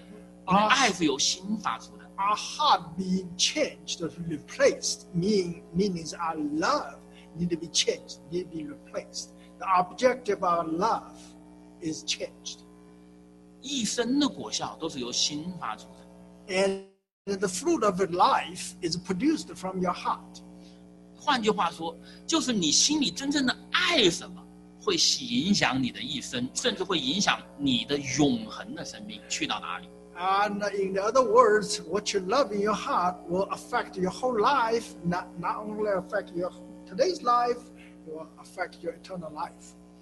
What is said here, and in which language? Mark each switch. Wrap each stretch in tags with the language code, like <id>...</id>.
<zh>我们的心要被更变、改换，这意味着什么呢？意味着我们爱的东西要改变，因为爱是由心发出的。</zh> <en>Our heart being changed, replaced, means our love need to be changed, need to be replaced. The object of our love is changed.</en> <zh>一生的果效都是由心发出的。</zh> <en>And the fruit of life is produced from your heart.</en> <zh>换句话说，就是你心里真正的爱什么，会影响你的一生，甚至会影响你的永恒的生命，去到哪里。</zh> <en>And in the other words, what you love in your heart will affect your whole life, not only affect your today's life, it will affect your eternal life.</en>